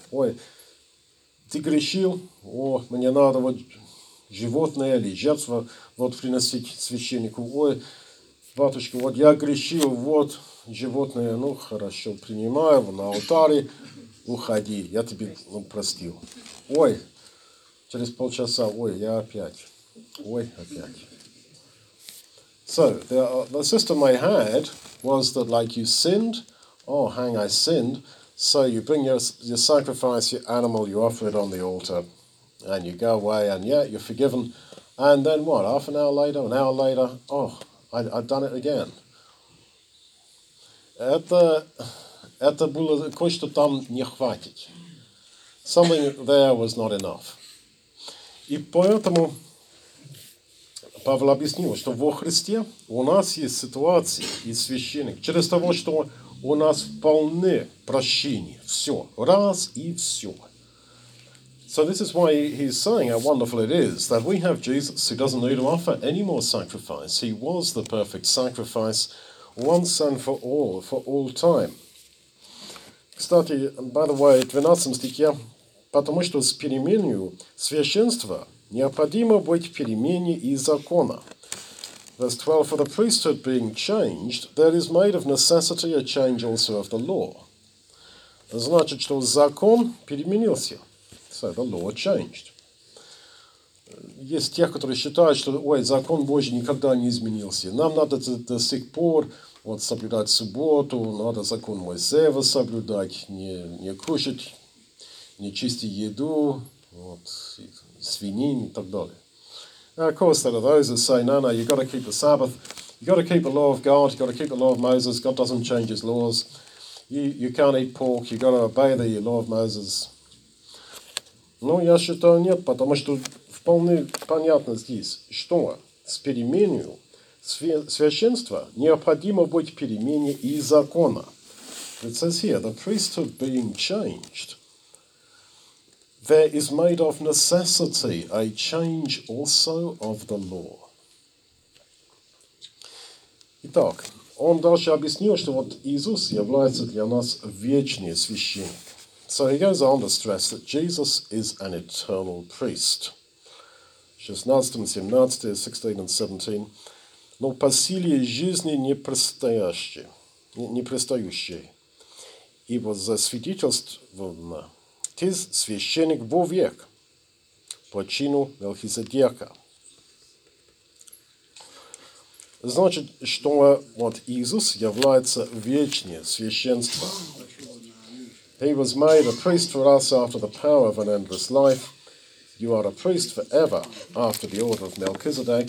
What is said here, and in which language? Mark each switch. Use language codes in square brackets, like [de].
[ru] Ой, ты грешил, о, мне надо вот животное или жертву вот приносить священнику. Ой, батюшка, вот я грешил, вот животное, ну хорошо, принимаю его на алтаре, уходи, я тебе ну, простил. Ой, через полчаса, ой, я опять, ой, опять. [en] So, the system I had was that like you sinned, oh hang, I sinned, so you bring your sacrifice, your animal, you offer it on the altar, and you go away, and yeah, you're forgiven. And then what, half an hour later, an hour later, oh, I've done it again. [ru] Это было кое-что там не хватит. [en] Something there was not enough. [ru] И поэтому Павел объяснил, что во Христе у нас есть ситуация, и священник, через того, что у нас полны прощения, все, раз и все. [en] So this is why he's saying how wonderful it is that we have Jesus who doesn't need to offer any more sacrifice. He was the perfect sacrifice once and for all time. [ru] Кстати, [en] by the way, [ru] в 12 стихе, потому что с переменью священства необходимо быть перемене и закона. [en] Verse 12, for the priesthood being changed, there is made of necessity a change also of the law. [ru] Значит, что закон переменился. [en] So the law changed. [ru] Есть те, которые считают, что ой, закон Божий никогда не изменился. Нам надо до сих пор вот, соблюдать субботу, надо закон Моисеева соблюдать, не кушать, не чистить еду, вот, свинин и так далее. [en] Now, of course, there are those that say, no, you've got to keep the Sabbath, you've got to keep the law of God, you've got to keep the law of Moses, God doesn't change his laws, you can't eat pork, you've got to obey the law of Moses. [ru] Ну, я считаю, нет, потому что вполне понятно здесь, что с переменью священства необходимо быть перемене и закона. [en] It says here, the priesthood being changed, there is made of necessity a change also of the law. [ru] Итак, он дальше объяснил, что вот Иисус является для нас вечный священник. [en] So he goes on to stress that Jesus is an eternal priest. 16, 17, 16 and 17. [ru] Но по силе жизни непрестающей. Ибо засвидетельствовано, ты священник вовек по чину Мелхиседека. Значит, что вот Иисус является вечнее священство. [en] He was made a priest for us after the power of an endless life. You are a priest forever after the order of Melchizedek.